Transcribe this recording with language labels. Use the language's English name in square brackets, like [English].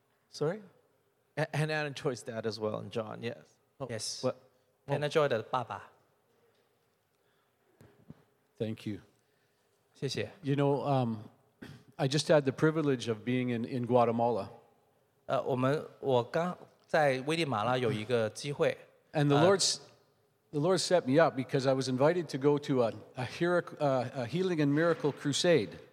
[English] Sorry, and Anna Joy's dad as well, and John. Yes. Oh, yes. What? Oh. Anna Joy [Chinese] 的爸爸。 [English] Thank you. [Chinese] 谢谢。 [English] You know, I just had the privilege of being in Guatemala. [Chinese] 我刚在危地马拉有一个机会。 [English] And the Lord set me up because I was invited to go to a healing and miracle crusade.